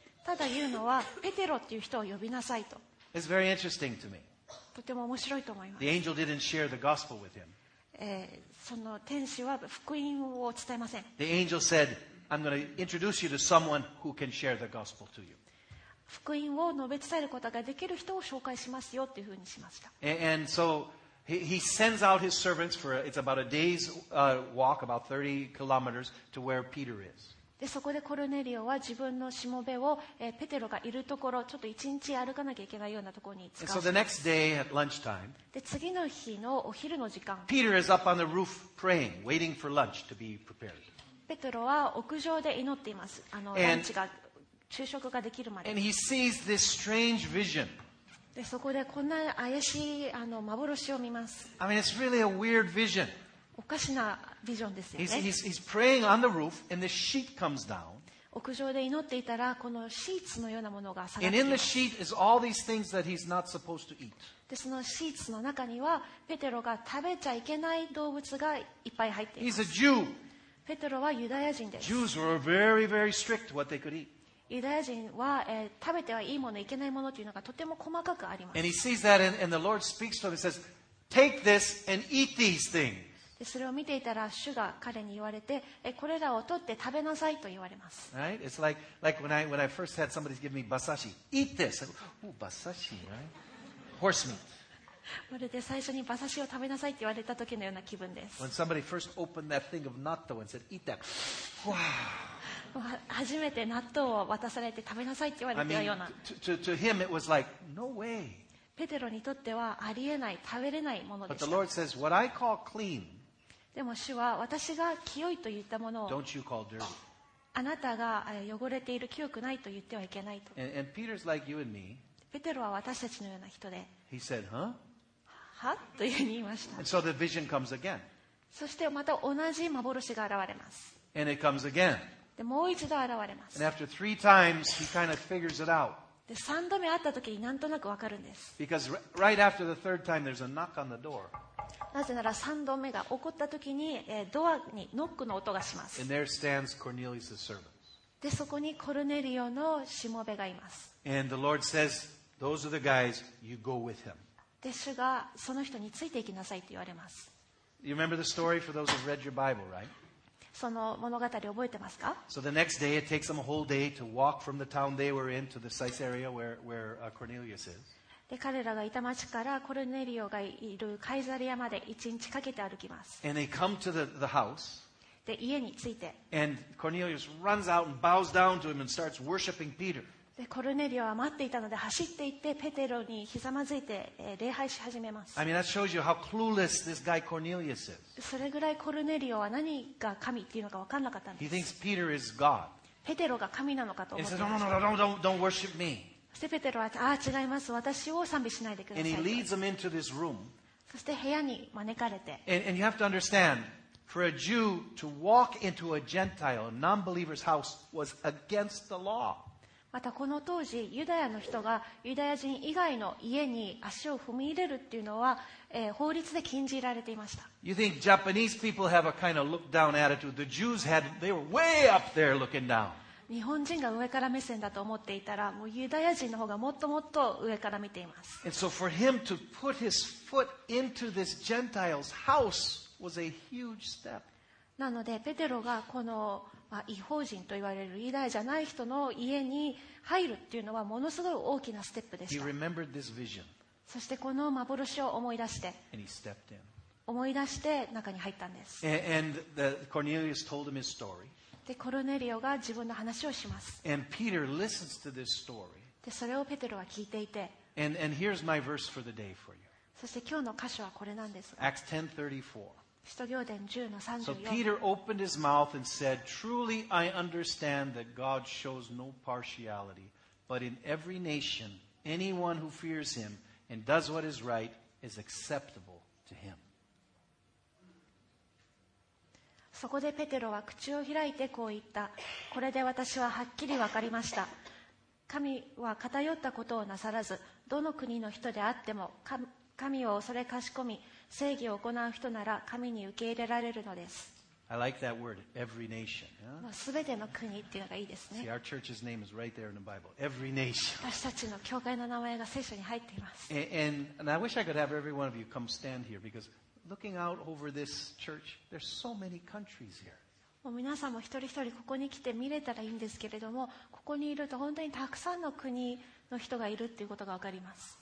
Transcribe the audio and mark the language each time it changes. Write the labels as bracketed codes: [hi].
[ja] ただ言うのはペテロっていう人を呼びなさいと。 [en] It's very interesting to me. [ja] とても面白いと思います。 [en] The angel didn't share the gospel with him. [ja] その天使は福音を伝えません。 [en] The angel said, I'm going to introduce you to someone who can share the gospel to you. [ja] 福音を述べ伝えることができる人を紹介しますよというふうにしました。 [en] And so he sends out his servants for it's about a day's walk, about 30 kilometers to where Peter is. [ja] でそこでコルネリオは自分のしもべを、ペテロがいるところちょっと一日歩かなきゃいけないようなところに使わせます。 [en] So the next day at lunchtime, [ja] で次の日のお昼の時間、 [en] Peter is up on the roof praying, waiting for lunch to be prepared. [ja] ペテロは屋上で祈っています。ランチが昼食ができるまで。 [en] And he sees this strange vision. [ja] でそこでこんな怪しい幻を見ます。 [en] I mean, it's really a weird vision. [ja] おかしなビジョンですよね。 [en] He's praying on the roof and the sheet comes down. [ja] 屋上で祈っていたらこのシーツのようなものが下がってきます。 [en] And in the sheet is all these things that he's not supposed to eat. [ja] でそのシーツの中にはペテロが食べちゃいけない動物がいっぱい入っています。 [en] He's a Jew. [ja] ペテロはユダヤ人です。 [en] Jews were very, very strict what they could eat. [ja] ユダヤ人は、食べてはいいものいけないものというのがとても細かくあります。 [en] And he sees that and the Lord speaks to him and says, take this and eat these things. [ja] でそれを見ていたら主が彼に言われてこれらを取って食べなさいと言われます。 [en] Right? It's like when I first had somebody give me basashi. Eat this. Basashi, right? Horse meat. [ja] まるで最初に馬刺しを食べなさいって言われた時のような気分です。 [en] When somebody first opened that thing of natto and said, eat that. Wow. [ja] 初めて納豆を渡されて食べなさいって言われたような。 [en] I mean, to him it was like, no way. [ja] ペテロにとってはありえない、食べれないものでした。 [en] But the Lord says, what I call clean, [ja] でも主は私が清いと言ったものを [en] don't you call dirty. [ja] あなたが汚れている、清くないと言ってはいけないと。 [en] And Peter's like you and me. [ja] ペテロは私たちのような人で [en] He said, huh? [ja] はというふうに言いました。 [en] And so the vision comes again. [ja] そしてまた同じ幻が現れます。 [en] And it comes again. [ja] でもう一度現れます。 [en] And after three times, he kind of figures it out. [ja] で3度目会った時になんとなく分かるんです。 [en] Because right after the third time, there's a knock on the door. [ja] なぜなら3度目が起こった時に、ドアにノックの音がします。 [en] And there stands Cornelius' servants. [ja] で、そこにコルネリオのしもべがいます。 [en] And the Lord says, those are the guys, you go with him. [ja] で、主がその人についていきなさいと言われます。 [en] You remember the story for those who've read your Bible, right? [ja] その物語覚えてますか？ [en] So the next day, it takes them a whole day to walk from the town they were in to the Caesarea where Cornelius is. [ja] で彼らがいた町からコルネリオがいるカイザリアまで一日かけて歩きます。 [en] And they come to the house. [ja] で家に着いて。 [en] And Cornelius runs out and bows down to him and starts worshiping Peter. [ja] でコルネリオは待っていたので走って行ってペテロにひざまずいて礼拝し始めます。 [en] I mean that shows you how clueless this guy Cornelius is. [ja] それぐらいコルネリオは何が神っていうのか分からなかったんです。 [en] He thinks Peter is God. [ja] ペテロが神なのかと思って。 [en] He says, no, don't worship me. [ja] そしてペテロは、ああ違います。私を賛美しないでください。 [en] And he leads him into this room. [ja] そして部屋に招かれて。 [en] And you have to understand, for a Jew to walk into a Gentile, a non-believer's house was against the law. [ja] またこの当時ユダヤの人がユダヤ人以外の家に足を踏み入れるっていうのは、法律で禁じられていました。 [en] You think Japanese people have a kind of look down attitude? The Jews had, they were way up there looking down. [ja] 日本人が上から目線だと思っていたら、もうユダヤ人の方がもっともっと上から見ています。 [en] And so for him to put his foot into this Gentile's house was a huge step. [ja] なのでペテロがこの異邦人と言われるユダヤじゃない人の家に入るっていうのはものすごい大きなステップでした。 [en] He remembered this vision. [ja] そしてこの幻を思い出して、 [en] And he stepped in. [ja] 思い出して中に入ったんです。 [en] And the Cornelius told him his story. [ja] で、コルネリオが自分の話をします。 [en] And Peter listens to this story. [ja] で、それをペテロは聞いていて、 [en] And here's my verse for the day for you. [ja] そして今日の箇所はこれなんです。 [en] Acts 10:34. [ja] 使徒行伝10の34。 [en] So Peter opened his mouth and said, "Truly, I understand that God shows no partiality, but in every nation, anyone who fears Him and does what is right is acceptable to Him." [ja] そこでペテロは口を開いてこう言った。これで私ははっきり分かりました。神は偏ったことをなさらず、どの国の人であっても神を恐れかしこみ正義を行う人なら神に受け入れられるのです。 [en] I like that word, every nation. Yeah? [ja] 全ての国っていうのがいいですね。 [en] See, our church's name is right there in the Bible. Every nation. [ja] 私たちの教会の名前が聖書に入っています。 [en] And I wish I could have every one of you come stand here because looking out over this church, there's so many countries here. [ja] もう皆さんも一人一人ここに来て見れたらいいんですけれども、ここにいると本当にたくさんの国の人がいるっていうことがわかります。